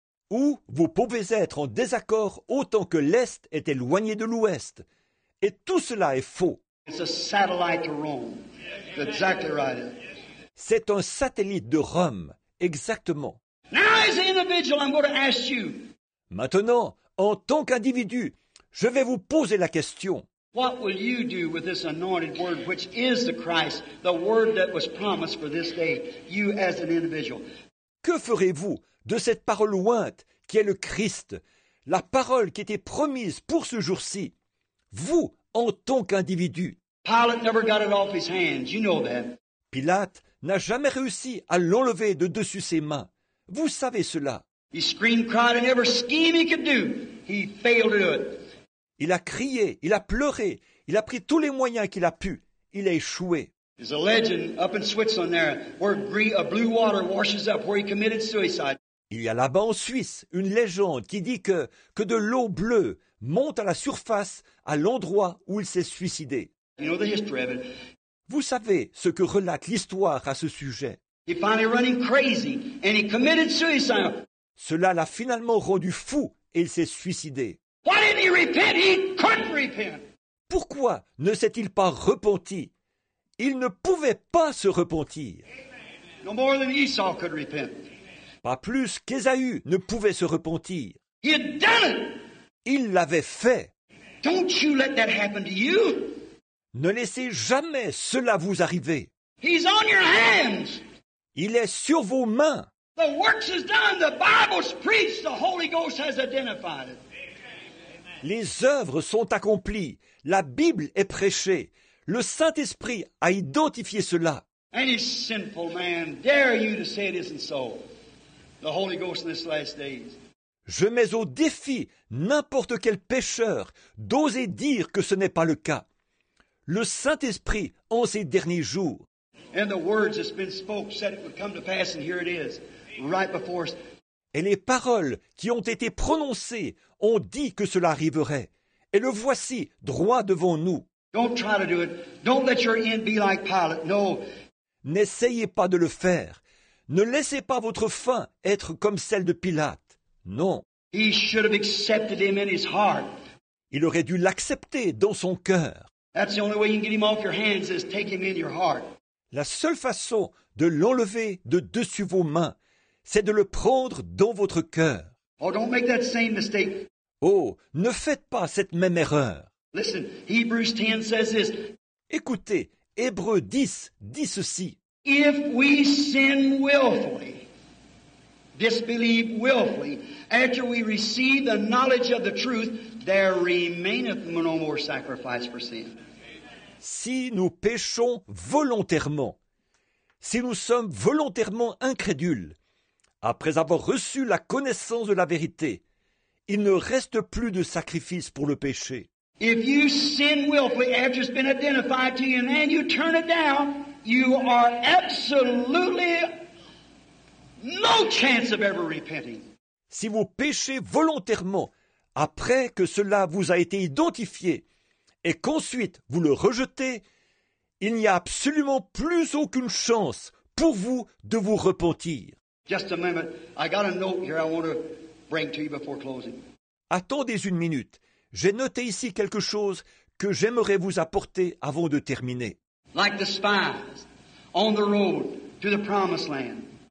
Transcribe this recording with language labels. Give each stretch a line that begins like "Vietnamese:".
French: Ou vous pouvez être en désaccord autant que l'Est est éloigné de l'Ouest. Et tout cela est faux.
English: It's a satellite to Rome. Exactly right.
French: C'est un satellite de Rome, exactement.
English: Now as an individual, I'm going to ask you.
French: Maintenant, en tant qu'individu, je vais vous poser la question.
English: What will you do with this anointed word, which is the Christ, the word that was promised for this day, you as an individual?
French: Que ferez-vous de cette parole ointe qui est le Christ, la parole qui était promise pour ce jour-ci, vous en tant qu'individu?
English: Pilate never got it off his hands. You know that.
French: Pilate n'a jamais réussi à l'enlever de dessus ses mains. Vous savez cela.
English: He screamed, cried, and every scheme he could do, he failed to do it.
French: Il a crié, il a pleuré, il a pris tous les moyens qu'il a pu. Il a échoué.
English: There's a legend up in Switzerland there where blue water washes up where he committed suicide.
French: Il y a là-bas en Suisse une légende qui dit que de l'eau bleue monte à la surface à l'endroit où il s'est suicidé.
English: You know the history of it.
French: Vous savez ce que relate l'histoire à ce sujet.
English: He finally ran crazy and he committed suicide.
French: Cela l'a finalement rendu fou et il s'est suicidé.
English: Why didn't he repent? He couldn't repent.
French: Pourquoi ne s'est-il pas repenti? Il ne pouvait pas se repentir.
English: No more than Esau could repent.
French: pas plus qu'Ésaü ne pouvait se repentir.
English: He had done it.
French: Il l'avait fait.
English: Don't you let that happen to you.
French: Ne laissez jamais cela vous arriver.
English: He's on your hands.
French: Il est sur vos mains.
English: The works is done. The Bible's preached. The Holy Ghost has identified it.
French: Les œuvres sont accomplies. La Bible est prêchée. Le Saint-Esprit a identifié cela.
English: Any sinful man dare you to say it isn't so? The Holy Ghost in this last days.
French: Je mets au défi n'importe quel pécheur d'oser dire que ce n'est pas le cas. Le Saint-Esprit, en ces derniers jours,
English: and the words that's been spoke said it would come to pass, and here it is, right before us.
French: Et les paroles qui ont été prononcées ont dit que cela arriverait. Et le voici, droit devant nous.
English: Don't try to do it. Don't let your end be like Pilate. No.
French: N'essayez pas de le faire. Ne laissez pas votre fin être comme celle de Pilate. Non.
English: He should have accepted him in his heart.
French: Il aurait dû l'accepter dans son cœur.
English: That's the only way you can get him off your hands is take him in your heart.
French: La seule façon de l'enlever de dessus vos mains, c'est de le prendre dans votre cœur.
English: Oh, don't make that same mistake.
French: Oh, ne faites pas cette même erreur.
English: Listen, Hebrews 10 says this.
French: Écoutez, Hébreux 10 dit ceci.
English: If we sin willfully, disbelieve willfully, after we receive the knowledge of the truth, there remaineth no more sacrifice for sin.
French: Si nous péchons volontairement, si nous sommes volontairement incrédules, après avoir reçu la connaissance de la vérité, il ne reste plus de sacrifice pour le péché.
English: If you sin willfully after it's been identified to you and then you turn it down, you are absolutely no chance of ever repenting.
French: Si vous péchez volontairement après que cela vous a été identifié, et qu'ensuite vous le rejetez, il n'y a absolument plus aucune chance pour vous de vous repentir.
English: Just a moment. I got a note here I want to bring to you before closing.
French: Attendez une minute. J'ai noté ici quelque chose que j'aimerais vous apporter avant de terminer.
English: Like the spies on the road to the promised land.